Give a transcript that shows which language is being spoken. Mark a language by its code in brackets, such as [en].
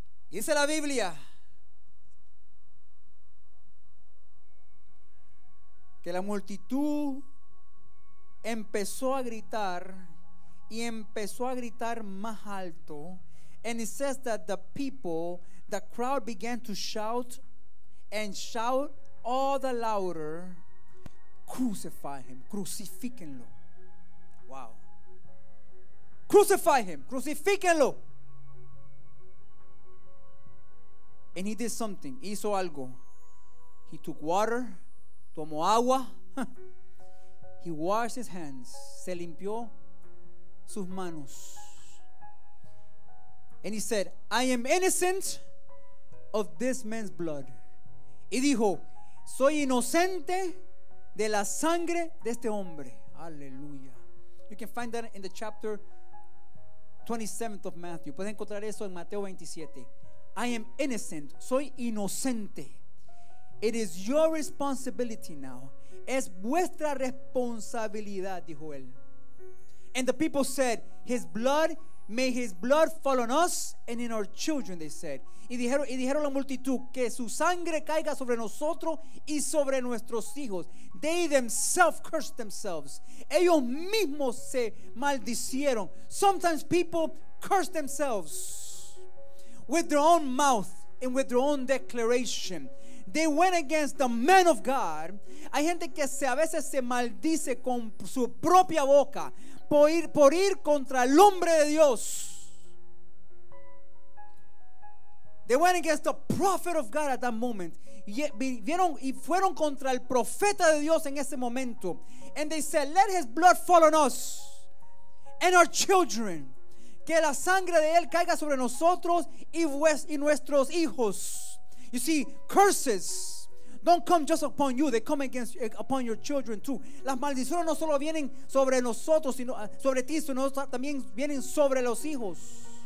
[es] Dice la Biblia que la multitud empezó a gritar y empezó a gritar más alto. [en] And it says that the people, the crowd began to shout and shout all the louder, crucify him, [es] crucifíquenlo. [en] Wow. Crucify him, [es] crucifíquenlo. [en] And he did something. [es] Hizo algo. [en] He took water, [es] tomó agua. [en] He washed his hands, [es] se limpió sus manos. [en] And he said, I am innocent of this man's blood. [es] Y dijo, soy inocente de la sangre de este hombre. Aleluya. [en] You can find that in the chapter 27 of Matthew. [es] Puedes encontrar eso en Mateo 27. [en] I am innocent. [es] Soy inocente. [en] It is your responsibility now. [es] Es vuestra responsabilidad, dijo él. [en] And the people said, his blood, may his blood fall on us and in our children, they said. [es] Y dijeron la multitud, que su sangre caiga sobre nosotros y sobre nuestros hijos. [en] They themselves cursed themselves. [es] Ellos mismos se maldicieron. [en] Sometimes people curse themselves with their own mouth and with their own declaration. They went against the man of God. [es] Hay gente que a veces se maldice con su propia boca por ir contra el hombre de Dios. [en] They went against the prophet of God at that moment. [es] Y fueron contra el profeta de Dios en ese momento. [en] And they said, let his blood fall on us and our children. [es] Que la sangre de él caiga sobre nosotros y nuestros hijos. [en] You see, curses don't come just upon you, they come against upon your children too. [es] Las maldiciones no solo vienen sobre nosotros, sino sobre ti, sino también vienen sobre los hijos.